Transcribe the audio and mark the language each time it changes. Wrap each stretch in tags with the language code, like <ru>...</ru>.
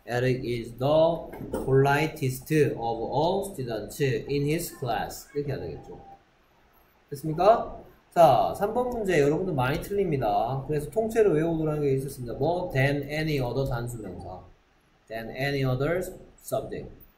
<en>Eric is the politest of all students in his class.</en> <ko>이렇게 해야 되겠죠. 됐습니까? 자, 3번 문제 여러분들 많이 틀립니다. 그래서 통째로 외우도록 하는 게 있었습니다. 뭐</ko> <en>than any other 단수명사, than any other subject.</en>